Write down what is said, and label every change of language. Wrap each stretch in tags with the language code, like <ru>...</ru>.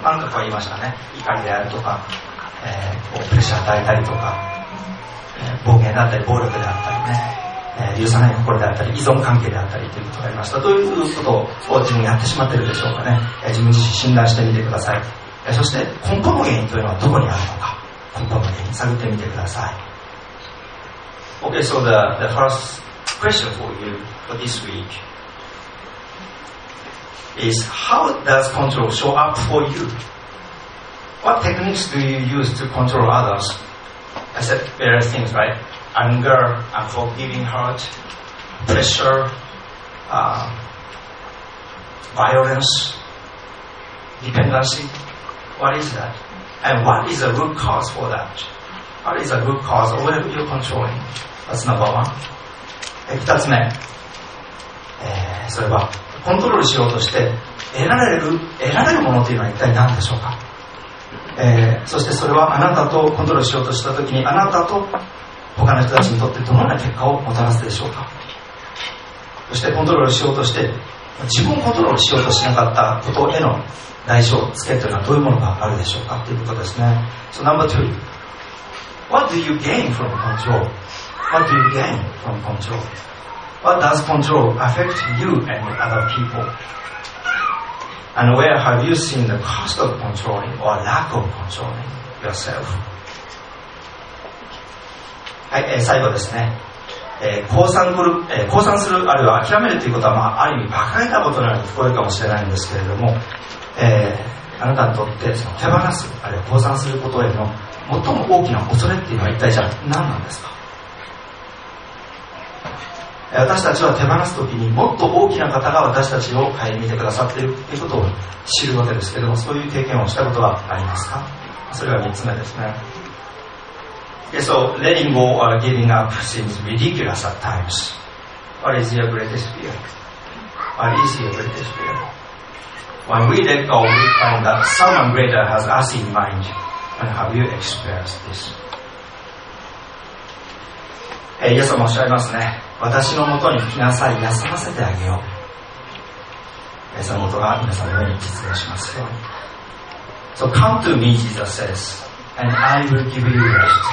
<ja>何かと言いましたね、怒りであるとか、こうプレッシャー与えたりとか、暴言だったり暴力であったりね、許さない心であったり依存関係であったりということがありました。どういうことを自分にやってしまっているでしょうかね。自分自身診断してみてください。そして根本の原因というのはどこにあるのか、根本の原因探ってみてください。</ja> <en>OK, so the first question for you for this week is how does control show up for you? What techniques do you use to control others? I said various things, rightAnger, unforgiving heart, pressure, violence, dependency. What is that? And what is the root cause for that? What is the root cause of whatever you're controlling? That's number one.</en> <ja>二つ目、それはコントロールしようとして得られるものというのは一体何でしょうか。そしてそれはあなたとコントロールしようとしたときにあなたと他の人たちにとってどのような結果をもたらすでしょうか。そしてコントロールしようとして自分をコントロールしようとしなかったことへの代償付けというのはどういうものがあるでしょうかということですね。</ja> <en>So number two, What do you gain from control? What do you gain from control? What does control affect you and other people? And where have you seen the cost of controlling or lack of controlling yourself?</en> <ja>はい、最後ですね、降参するあるいは諦めるということは、まあ、ある意味馬鹿げたことのように聞こえるかもしれないんですけれども、あなたにとってその手放すあるいは降参することへの最も大きな恐れっていうのは一体じゃあ何なんですか。私たちは手放すときにもっと大きな方が私たちを顧みてくださっているということを知るわけですけれども、そういう経験をしたことはありますか。それが3つ目ですね。</ja> <en>Okay, so letting go or giving up seems ridiculous at times. What is your greatest fear? What is your greatest fear? When we let go, we find that someone greater has us in mind. And have you experienced this?</en> <ja>イエス様おっしゃいますね。私のもとに来なさい、休ませてあげよう。イエス様のもとが皆さんのように実現しますよ。</ja> <en>So come to me, Jesus says, and I will give you rest.</en>